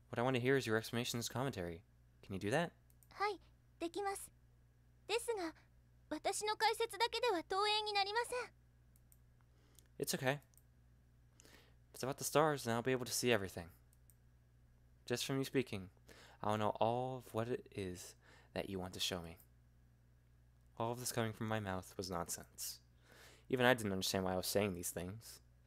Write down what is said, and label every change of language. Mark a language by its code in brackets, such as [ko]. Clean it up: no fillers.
[en] What I want to hear is your explanation's commentary. Can you do that? [ja] はい、できます。ですが、私の解説だけでは投影になりません。 [en] It's okay. It's about the stars, and I'll be able to see everything. Just from you speaking, I'll know all of what it is that you want to show me. All of this coming from my mouth was nonsense. Even I didn't understand why I was saying these things.